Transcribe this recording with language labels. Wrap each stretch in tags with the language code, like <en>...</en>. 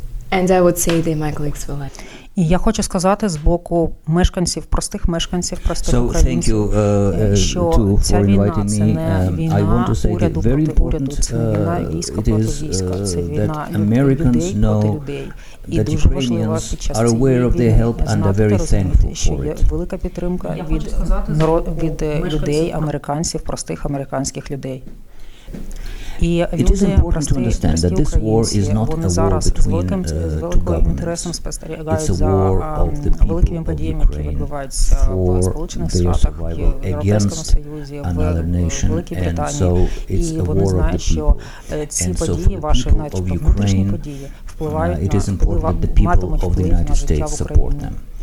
<en>And I would say that my colleagues will add.</en> <uk>І я хочу сказати з боку мешканців, простих українців,</uk> <en>thank you,</en> <uk>що to, ця війна – це не війна уряду проти уряду, це війна війська проти війська, це війна людей проти людей. І дуже важливо під час цієї війни знати та розуміти, що є велика підтримка від людей, американців, простих американських людей.</uk> <en>It is important to understand that this war is not a war between two governments. It's a war of the people of Ukraine for their survival against another nation. And so it's a war of the people. And so for the people of Ukraine, it is important that the people of the United States support them.</en>